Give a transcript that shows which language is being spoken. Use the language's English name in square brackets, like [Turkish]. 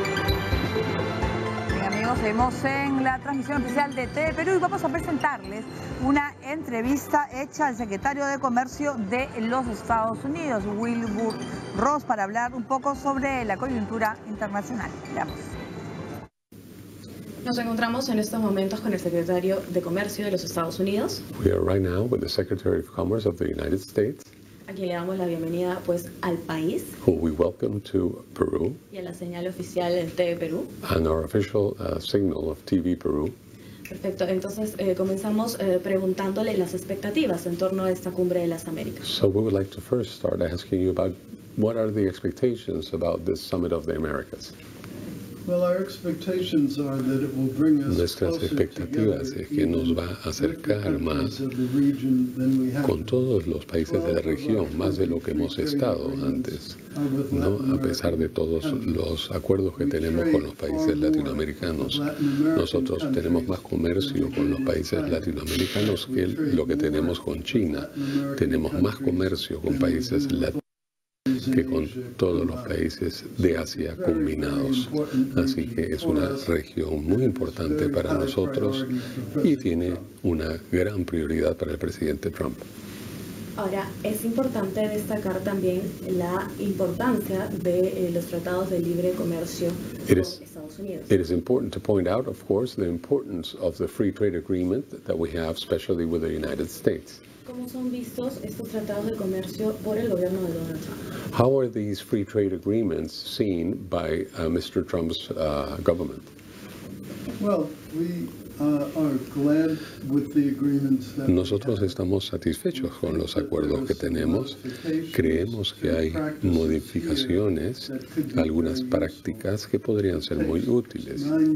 [Spanish] estaremos en la transmisión oficial de TV Perú y vamos a presentarles una entrevista hecha al secretario de Comercio de los Estados Unidos, Wilbur Ross, para hablar un poco sobre la coyuntura internacional. Veamos. Nos encontramos en estos momentos con el secretario de Comercio de los Estados Unidos. [English] We are right now with the Secretary of Commerce of the United States. [Spanish] Aquí le damos la bienvenida, pues, al país. [English] Who we welcome to Peru. [Spanish] Y a la señal oficial del TV Perú. [English] And our official signal of TV Peru. [Spanish] Perfecto. Entonces, comenzamos preguntándole las expectativas en torno a esta cumbre de las Américas. [English] So we would like to first start asking you about what are the expectations about this Summit of the Americas. Well, our expectations are that it will bring us [Spanish] Nuestras expectativas es que nos va a acercar más con todos los países de la región, más de lo que hemos estado antes, ¿no? A pesar de todos los acuerdos que tenemos con los países latinoamericanos. Nosotros tenemos más comercio con los países latinoamericanos que lo que tenemos con China. Tenemos más comercio con países latinoamericanos que con todos los países de Asia combinados. Así que es una región muy importante para nosotros y tiene una gran prioridad para el presidente Trump. Ahora, es importante destacar también la importancia de los tratados de libre comercio con Estados Unidos. [English] It is important to point out, of course, the importance of the free trade agreement that we have, especially with the United States. [Spanish] ¿Cómo son vistos estos tratados de comercio por el gobierno de Donald Trump? [English] How are these free trade agreements seen by Mr. Trump's government? Well, we are glad with the agreements that [Spanish] Nosotros estamos satisfechos con los acuerdos que tenemos. Creemos que hay modificaciones, algunas prácticas que podrían ser muy útiles.